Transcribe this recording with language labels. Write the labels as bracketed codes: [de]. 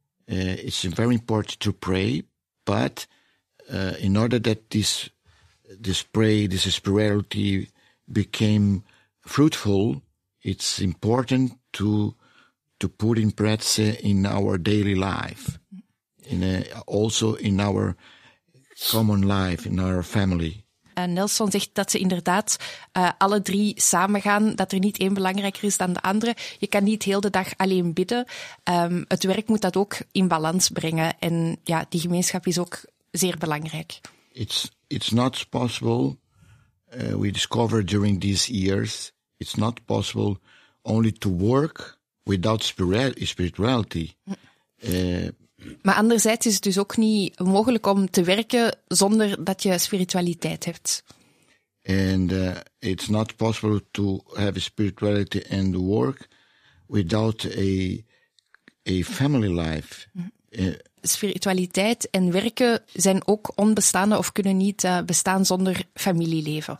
[en] It's very important to pray, but in order that this pray, this spirituality became fruitful, it's important to put in practice in our daily life, also in our common life, in our family. [nl] Nelson zegt dat ze inderdaad alle drie samengaan, dat er niet één belangrijker is dan de andere. Je kan niet heel de dag alleen bidden. Het werk moet dat ook in balans brengen. En ja, die gemeenschap is ook zeer belangrijk. [en] It's not possible, we discovered during these years, it's not possible only to work without spirituality. [nl] Maar anderzijds is het dus ook niet mogelijk om te werken zonder dat je spiritualiteit hebt. [en] And it's not possible to have spirituality and work without a family life. [nl] Spiritualiteit en werken zijn ook onbestaande of kunnen niet bestaan zonder familieleven.